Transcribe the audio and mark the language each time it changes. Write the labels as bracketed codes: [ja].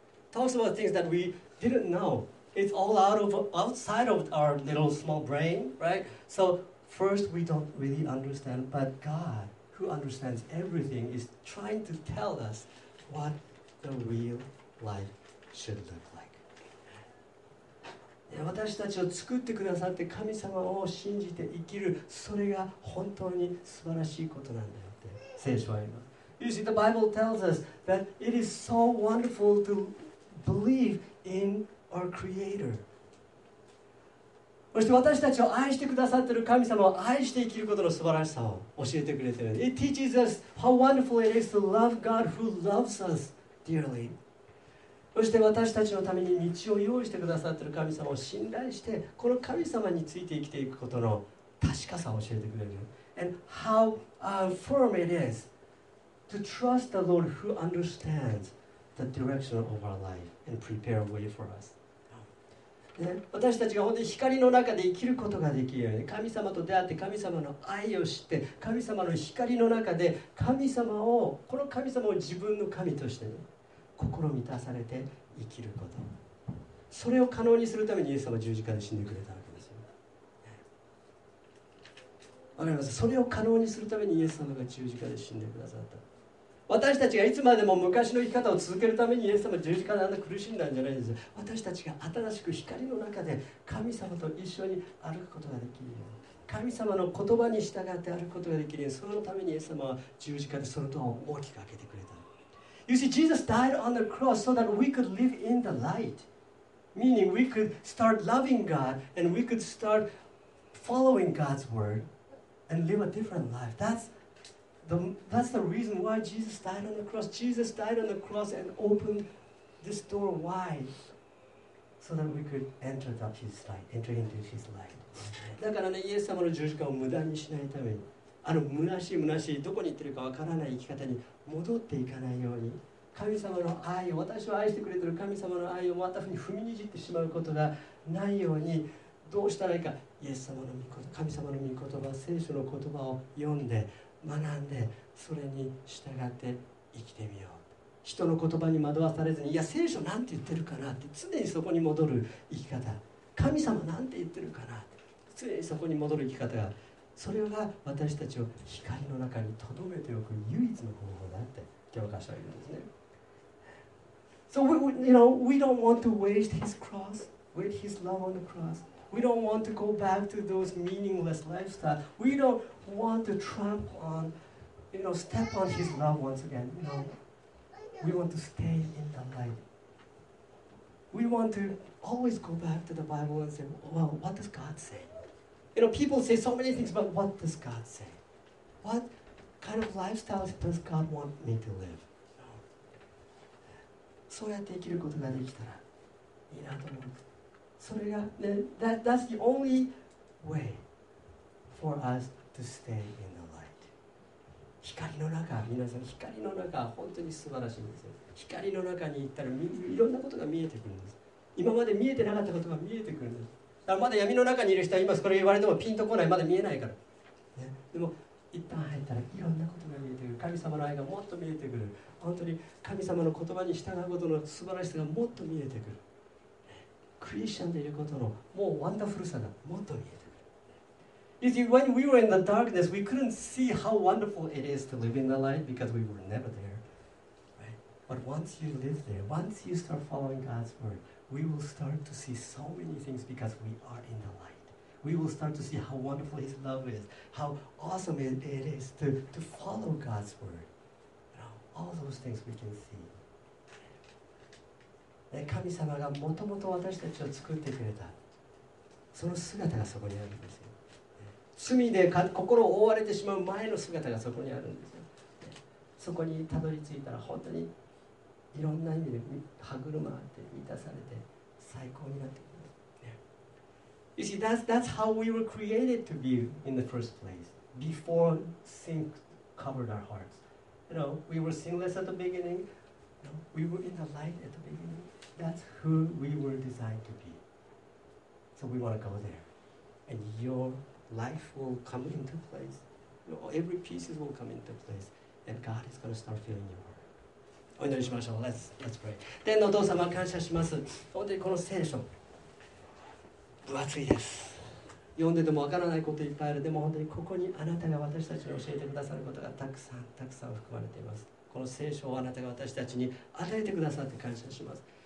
[en] It talks about things that we didn't know. It's all outside of our little small brain, right? So first, we don't really understand, but God, who understands everything, is trying to tell us what the real life should look like. [ja] 私たちを作ってくださって神様を信じて生きる、それが本当に素晴らしいことなんだよって聖書は言います。 [en] You see, the Bible tells us that it is so wonderful to believe in God. Our Creator. [ja] そして私たちを愛してくださっている神様を愛して生きることの素晴らしさを教えてくれている。 [en] It teaches us how wonderful it is to love God who loves us dearly. [ja] そして私たちのために道を用意してくださっている神様を信頼して、この神様について生きていくことの確かさを教えてくれる。 [en] And how firm it is to trust the Lord who understands the direction of our life.And prepare a way for us. [ja] 私たちが本当に光の中で生きることができるように、神様と出会って神様の愛を知って、神様の光の中で神様を、この神様を自分の神として、ね、心満たされて生きること、それを可能にするためにイエス様は十字架で死んでくれたわけですよ。わかります？それを可能にするためにイエス様が十字架で死んでくださった。私たちがいつまでも昔の生き方を続けるためにイエス様は十字架であんな苦しんだんじゃないんですよ。私たちが新しく光の中で神様と一緒に歩くことができるように、神様の言葉に従って歩くことができるように、そのためにイエス様は十字架でその戸を大きく開けてくれた。 [en] You see, Jesus died on the cross so that we could live in the light. Meaning we could start loving God and we could start following God's word and live a different life. That's the reason why Jesus died on the cross. Jesus died on the cross and opened this door wide so that we could enter that his light, enter into his light. [ja] だからね、イエス様の十字架を無駄にしないために、あの虚しい虚しいどこに行ってるかわからない生き方に戻っていかないように、神様の愛を、私を愛してくれている神様の愛をまたふうに踏みにじってしまうことがないように、どうしたらいいか、イエス様の御言葉、神様の御言葉、聖書の言葉を読んで学んで、それに従って生きてみよう。人の言葉に惑わされずに、いや聖書なんて言ってるかなって常にそこに戻る生き方、神様なんて言ってるかなって常にそこに戻る生き方が、それが私たちを光の中に留めておく唯一の方法だって教科書は言うんですね。 [en] So we, you know, we don't want to waste his cross, waste his love on the cross. We don't want to go back to those meaningless lifestyle. We don't want to trample on, you know, step on his love once again. No, we want to stay in the light. We want to always go back to the Bible and say, well, what does God say? You know, people say so many things, but what does God say? What kind of lifestyle does God want me to live? [ja] そうやって生きることができたらいいなと思う。それが、ね、 [en] that's the only way for us to stay in the light. [ja] 光の中、皆さん、光の中、本当に素晴らしいんですよ。光の中に行ったら、いろんなことが見えてくるんです。今まで見えてなかったことが見えてくるんです。だからまだ闇の中にいる人は、今それ言われてもピンとこない、まだ見えないから。ね、でも、一旦入ったらいろんなことが見えてくる。神様の愛がもっと見えてくる。本当に神様の言葉に従うことの素晴らしさがもっと見えてくる。クリスチャンでいることのもうワンダフルさがもっと見えてくる。 [en] You see, when we were in the darkness, we couldn't see how wonderful it is to live in the light because we were never there. Right? But once you live there, once you start following God's word, we will start to see so many things because we are in the light. We will start to see how wonderful His love is, how awesome it is to follow God's word. All those things we can see. [ja] 神様がもともと私たちを作ってくれた、その姿がそこにあるんですよ。罪で心を覆われてしまう前の姿がそこにあるんですよ。そこにたどり着いたら本当にいろんな意味で歯車があって満たされて最高になってくる。 [en] You see, that's how we were created to be in the first place, before sin covered our hearts. You know, we were sinless at the beginning. No, we were in the light at the beginning. That's who we were designed to be. So we want to go there. And your life will come into place. You know, every piece will come into place. And God is going to start filling your heart. [ja] お祈りしましょう。 [en] Let's pray. [ja] 天のお父様、感謝します。本当にこの聖書、分厚いです。読んでてもわからないこといっぱいある。でも本当にここにあなたが私たちに教えてくださることがたくさんたくさん含まれています。この聖書をあなたが私たちに与えてくださって感謝します。